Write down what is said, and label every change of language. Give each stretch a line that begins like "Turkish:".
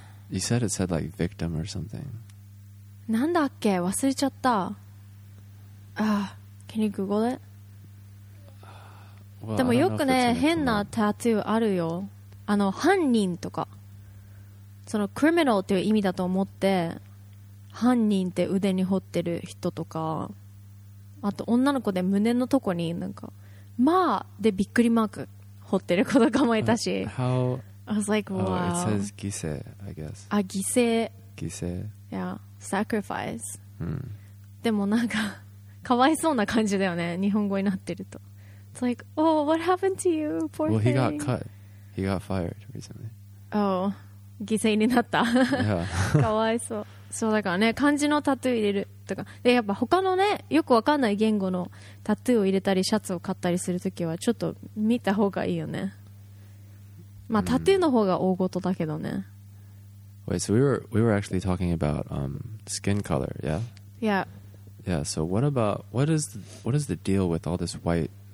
English: You said it said like victim or something.
Japanese: なんだっけ、忘れちゃった。
English: Can you Google it?
Japanese: でもよくね、変なタトゥーあるよ。あの犯人とか、そのクリミナルっていう意味だと思って犯人って腕に彫ってる人とか、あと女の子で胸のとこになんかまあでびっくりマーク彫ってる子とかもいたし。
English: How? I was like, wow. It says 犠牲 I guess.
Japanese: あ、犠牲。犠牲。
English: Yeah, sacrifice.、
Japanese: うん、でもなんかかわいそうな感じだよね、日本語になってると。
English: It's like, oh, what happened to you, poor well, thing? Well, he got cut. He got fired recently. Oh,
Japanese: 犠牲になった。
English: yeah.
Japanese: かわいそう。そうだからね、漢字のタトゥー入れるとか、でやっぱ他のね、よくわかんない言語のタトゥーを入れたり、シャツを買ったりするときは、ちょっと見た方がいいよね。まあ、タトゥーの方が大ごとだけどね。 Mm.
English: Wait, so we were actually talking about skin color, yeah? Yeah. Yeah, so what is the deal with all this white...